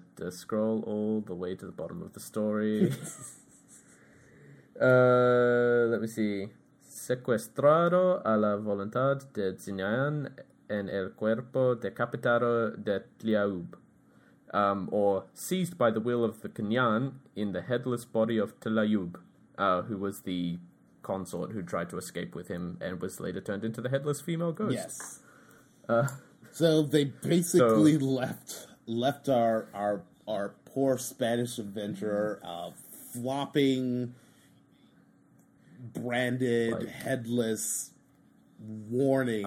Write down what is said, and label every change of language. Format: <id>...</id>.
<en>Scroll all the way to the bottom of the story. Let me see.</en> <es>Secuestrado a la voluntad de Zinayan en el cuerpo decapitado de Tliaub.</es> <en>Or seized by the will of the Kenyan in the headless body of Tliaub, who was the consort who tried to escape with him and was later turned into the headless female ghost. Yes. So they basically left our poor Spanish adventurer flopping, branded, like, headless, warning.</en>